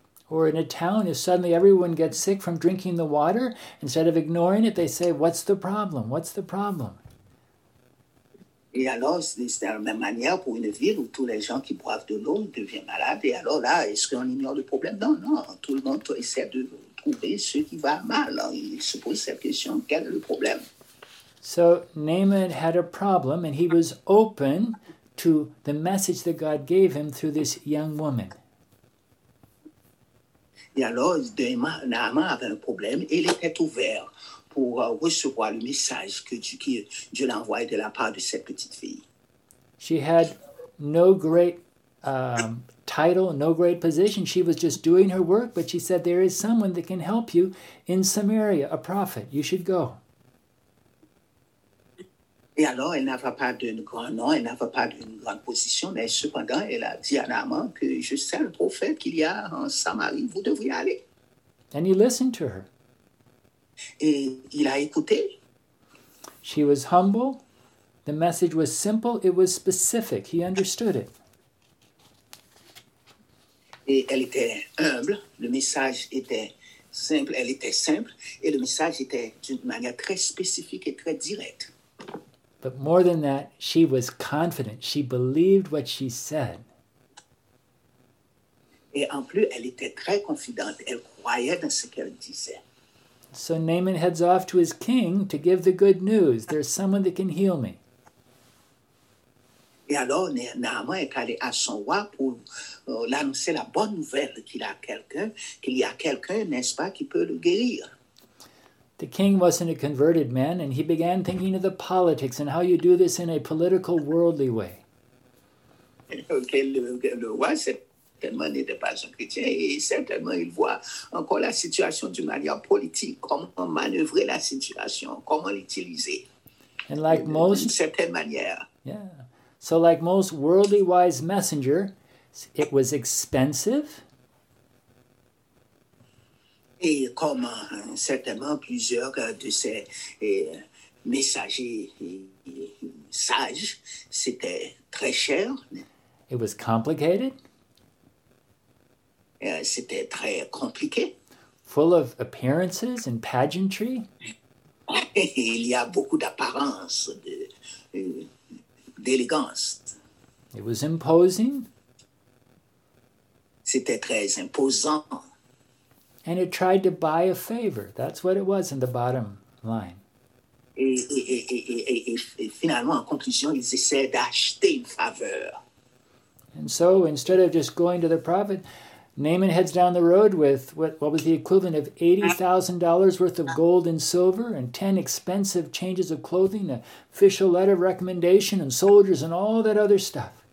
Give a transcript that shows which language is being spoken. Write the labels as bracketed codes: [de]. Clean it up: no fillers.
[en] Or in a town, if suddenly everyone gets sick from drinking the water, instead of ignoring it, they say, what's the problem? What's the problem? [fr] Et alors, c'est de la même manière pour une ville où tous les gens qui boivent de l'eau deviennent malades. Et alors là, est-ce qu'on ignore le problème? Non, non. Tout le monde essaie de trouver ce qui va mal. Il se pose cette question, quel est le problème? [en] So, Naaman had a problem and he was open to the message that God gave him through this young woman. [fr] Et alors, Naaman avait un problème et il était ouvert pour recevoir le message que Dieu l'a envoyé de la part de cette petite fille. [en] She had no great title, no great position. She was just doing her work, but she said, there is someone that can help you in Samaria, a prophet. You should go. [fr] Et alors, elle n'avait pas de grand nom, elle n'avait pas de grande position, mais cependant, elle a dit à Naaman que je sais le prophète qu'il y a en Samarie, vous devriez aller. [en] And he listened to her. [fr] Et il a écouté. [en] She was humble. The message was simple. It was specific. He understood it. [fr] Et elle était humble, le message était simple, elle était simple, et le message était d'une manière très spécifique et très directe. [en] But more than that, she was confident. She believed what she said. [fr] Et en plus, elle était très confiante. Elle croyait dans ce qu'elle disait. [en] So Naaman heads off to his king to give the good news. There's someone that can heal me. [fr] Et alors, Naaman est allé à son roi pour l'annoncer la bonne nouvelle qu'il y a quelqu'un, n'est-ce pas, qui peut le guérir. [en] The king wasn't a converted man, and he began thinking of the politics and how you do this in a political, worldly way. [fr] Okay, le roi certainement n'était pas un chrétien, et certainement il voit encore la situation d'une manière politique, comment manœuvrer la situation, comment l'utiliser. [en] And like most, [fr] d'une certaine manière. [en] Yeah. So like most worldly wise messenger, it was expensive. [fr] Et comme certainement plusieurs de ces messagers sages, c'était très cher. [en] It was complicated. [fr] C'était très compliqué. [en] Full of appearances and pageantry. [fr] Il y a beaucoup d'apparences d'élégance. [en] It was imposing. [fr] C'était très imposant. [en] And it tried to buy a favor. That's what it was in the bottom line. [fr] Et finalement, en conclusion, ils essaient d'acheter une faveur. [en] And so, instead of just going to the prophet, Naaman heads down the road with what was the equivalent of $80,000 worth of gold and silver and 10 expensive changes of clothing, an official letter of recommendation, and soldiers, and all that other stuff.